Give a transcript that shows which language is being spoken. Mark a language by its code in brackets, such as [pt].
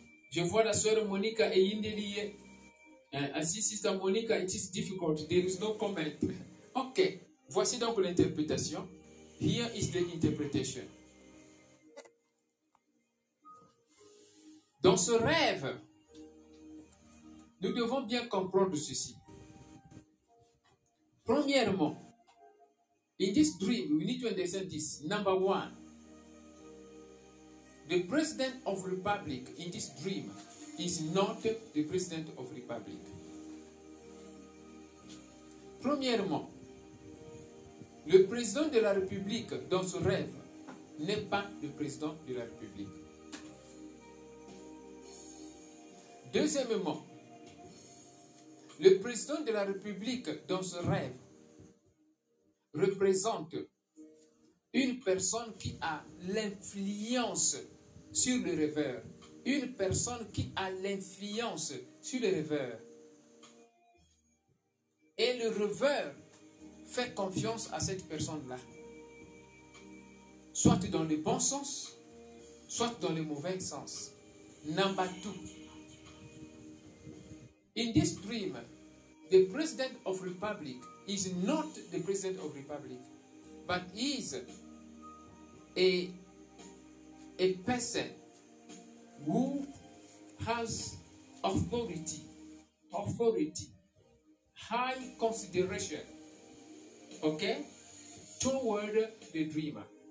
[fr] Je vois la soeur Monica et Indelie. [en] Sister Monica, it is difficult. There is no comment. Ok. [fr] Voici donc l'interprétation. [en] Here is the interpretation. [fr] Dans ce rêve, nous devons bien comprendre ceci. [en] Premièrement, in this dream, we need to understand this. Number one. The president of republic in this dream is not the president of republic. [fr] Premièrement, le président de la République dans ce rêve n'est pas le président de la République. Deuxièmement, le président de la République dans ce rêve représente une personne qui a l'influence sur le rêveur. Une personne qui a l'influence sur le rêveur. Et le rêveur fait confiance à cette personne-là. Soit dans le bon sens, soit dans le mauvais sens. [en] Number two. In this dream, the president of republic is not the president of republic, but is a person who has authority, high consideration, okay, toward the dreamer.